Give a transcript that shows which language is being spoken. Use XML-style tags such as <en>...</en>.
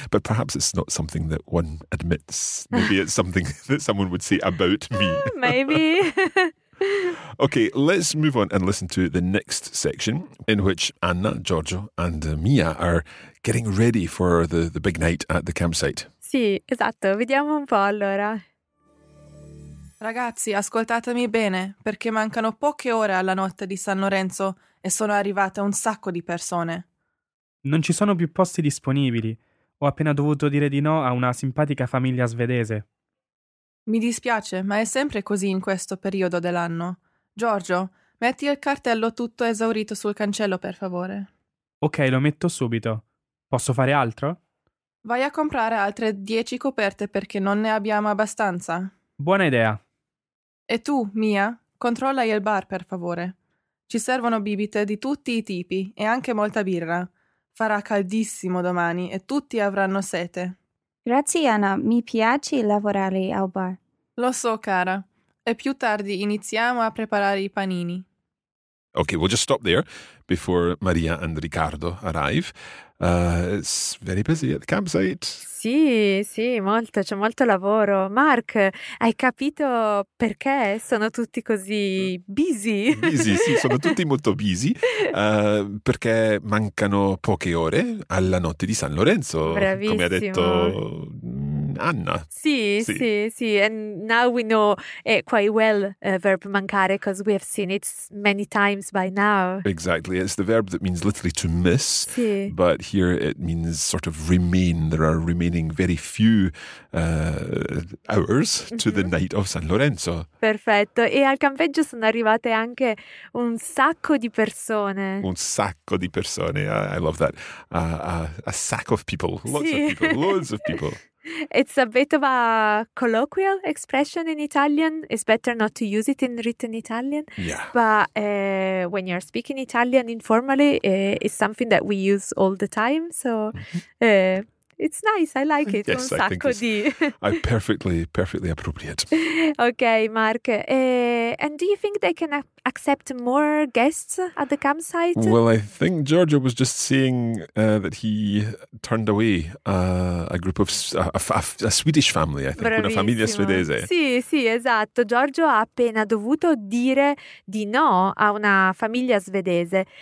<en>But perhaps it's not something that one admits. Maybe it's something that someone would say about me. Maybe. Okay, let's move on and listen to the next section in which Anna, Giorgio and Mia are getting ready for the big night at the campsite.</en> <it>Sì, esatto. Vediamo un po' allora. Ragazzi, ascoltatemi bene, perché mancano poche ore alla notte di San Lorenzo e sono arrivate un sacco di persone. Non ci sono più posti disponibili. Ho appena dovuto dire di no a una simpatica famiglia svedese. Mi dispiace, ma è sempre così in questo periodo dell'anno. Giorgio, metti il cartello tutto esaurito sul cancello, per favore. Ok, lo metto subito. Posso fare altro? Vai a comprare altre 10 coperte perché non ne abbiamo abbastanza. Buona idea. E tu, Mia, controlla il bar, per favore. Ci servono bibite di tutti i tipi e anche molta birra. Farà caldissimo domani e tutti avranno sete. Grazie, Anna. Mi piace lavorare al bar. Lo so, cara. E più tardi iniziamo a preparare i panini.</it> <en>Okay, we'll just stop there before Maria and Riccardo arrive. It's very busy at the campsite.</en> <it>Sì, sì, molto. C'è molto lavoro. Mark, hai capito perché sono tutti così busy? Busy, sì, sono tutti molto busy. Perché mancano poche ore alla notte di San Lorenzo. Bravissimo. Come ha detto Anna. Sì, sì, sì, sì.</it> <en>And now we know quite well verb mancare because we have seen it many times by now. Exactly. It's the verb that means literally to miss.</en> <it>Sì.</it> <en>But here it means sort of remain. There are remaining very few hours to the night of San Lorenzo.</en> <it>Perfetto. E al campeggio sono arrivate anche un sacco di persone. Un sacco di persone.</it> <en>I love that. A sack of people. Lots of people. Loads of people. It's a bit of a colloquial expression in Italian. It's better not to use it in written Italian. Yeah. But when you're speaking Italian informally, it's something that we use all the time. So it's nice. I like it. Yes, un sacco I think it's perfectly appropriate. Okay, Mark. And do you think they can accept more guests at the campsite? Well, I think Giorgio was just saying that he turned away a Swedish family, I think.</en> <it>Una famiglia svedese. Sì, sì, esatto. Giorgio ha appena dovuto dire di no a una famiglia svedese.</it>